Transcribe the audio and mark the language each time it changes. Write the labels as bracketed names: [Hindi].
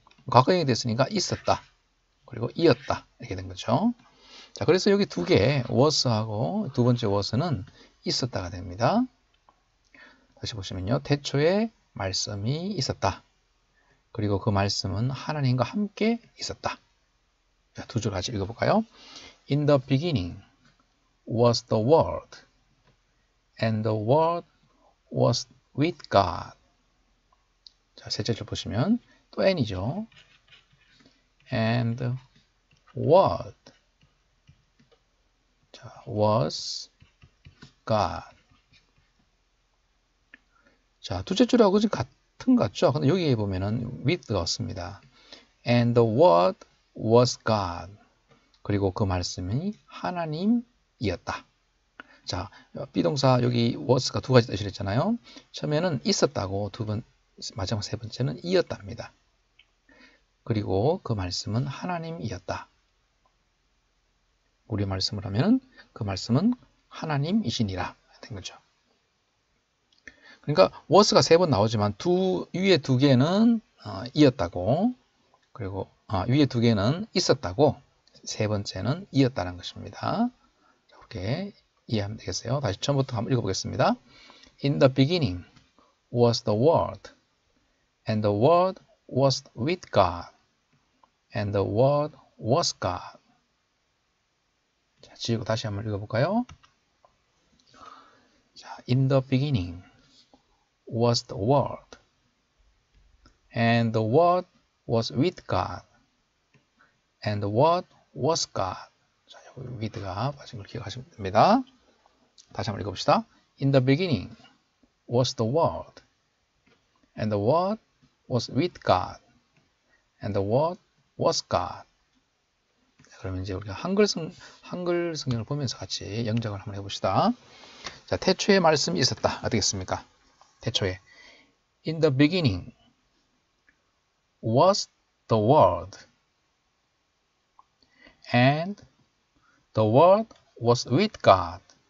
[Korean] 과거형이 됐으니까 있었다. 그리고 이었다. 이렇게 된 거죠. 자, 그래서 여기 두 개, was하고 두 번째 was는 있었다가 됩니다. 다시 보시면요. 태초에 말씀이 있었다. 그리고 그 말씀은 하나님과 함께 있었다. 자, 두줄 같이 읽어볼까요? [English] In the beginning was the word, and the word was with God. [Korean] 자, 셋째 줄 보시면 또 n이죠. [English] And word was God. [Korean] 자, 두째 줄하고 같은 같죠? 근데 여기에 보면은 with가 없습니다. [English] And the word was God. [Korean] 그리고 그 말씀이 하나님이었다. 자, 비동사 여기 was가 두 가지 뜻을 했잖아요. 처음에는 있었다고 두 번, 마지막 세 번째는 이었답니다. 그리고 그 말씀은 하나님이었다. 우리 말씀을 하면 그 말씀은 하나님이시니라 된 거죠. 그러니까 was가 세번 나오지만 두 위에 두 개는 이었다고, 그리고 위에 두 개는 있었다고, 세 번째는 이었다는 것입니다. 이렇게 이해하면 되겠어요. 다시 처음부터 한번 읽어보겠습니다. [English] In the beginning was the word, and the word was with God. And the word was God. [Korean] 자, 지우고 다시 한번 읽어볼까요? [English] 자, In the beginning was the word. And the word was with God. And the word was God. [Korean] 자, 여기 with가 빠진 걸 기억하시면 됩니다. 다시 한번 읽어봅시다. [English] In the beginning was the word. And the word was with God. And the word was God. [Korean] 그러면 이제 우리가 한글 성경을 보면서 같이 영작을 한번 해봅시다. 자, 태초에 말씀이 있었다. 어떻겠습니까? 태초에. [English] In the beginning was the word. And the word was with God.